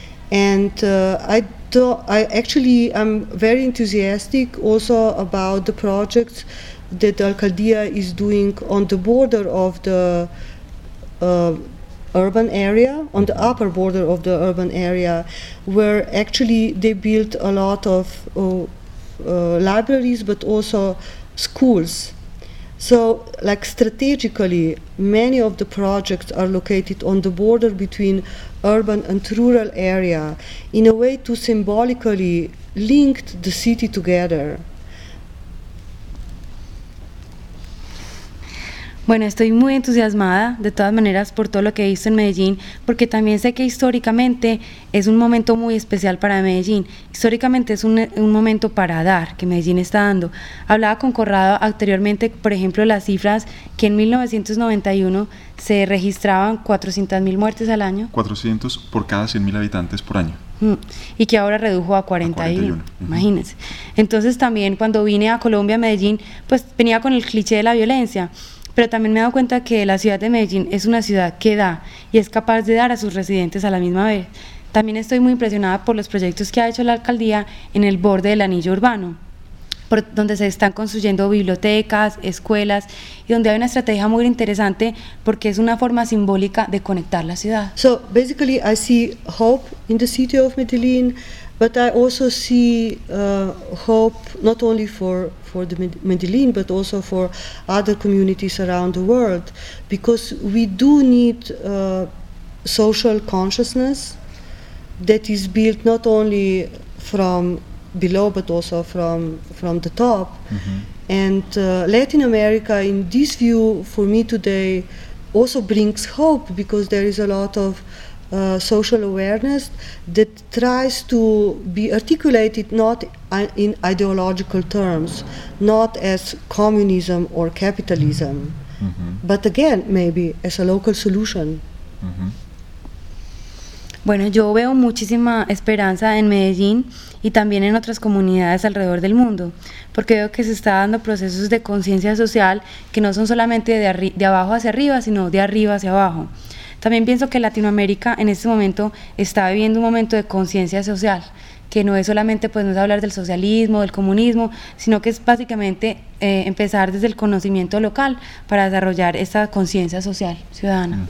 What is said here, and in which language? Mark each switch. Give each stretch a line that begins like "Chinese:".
English: And I'm very enthusiastic also about the projects that Alcaldía is doing on the border of the urban area, on the upper border of the urban area, where actually they built a lot of libraries but also schools. So like strategically many of the projects are located on the border between urban and rural area in a way to symbolically link the city together.
Spanish: Bueno, estoy muy entusiasmada de todas maneras por todo lo que he visto en Medellín, porque también sé que históricamente es un momento muy especial para Medellín. Históricamente es un momento para dar, que Medellín está dando. Hablaba con Corrado anteriormente, por ejemplo, las cifras que en 1991 se registraban 400.000 muertes al año. 400 por cada 100.000 habitantes por año. Y que ahora redujo a 41, imagínense. Entonces también cuando vine a Colombia, a Medellín, pues venía con el cliché de la violencia, pero también me he dado cuenta que la ciudad de Medellín es una ciudad que da y es capaz de dar a sus residentes a la misma vez. También estoy muy impresionada por los proyectos que ha hecho la alcaldía en el borde del anillo urbano, por donde se están construyendo bibliotecas, escuelas, y donde hay una estrategia muy interesante porque es una forma simbólica de conectar la ciudad.
English: So basically I see hope in the city of Medellín, but I also see hope not only for the Medellín but also for other communities around the world, because we do need social consciousness that is built not only from below but also from the top. And Latin America in this view for me today also brings hope, because there is a lot of social awareness that tries to be articulated not in ideological terms, not as communism or capitalism, but again maybe as a local solution.
Spanish: Bueno, yo veo muchísima esperanza en Medellín y también en otras comunidades alrededor del mundo, porque veo que se está dando procesos de conciencia social que no son solamente de abajo hacia arriba, sino de arriba hacia abajo. También pienso que Latinoamérica en este momento está viviendo un momento de conciencia social, que no es solamente pues, no es hablar del socialismo, del comunismo, sino que es básicamente empezar desde el conocimiento local para desarrollar esta conciencia social ciudadana.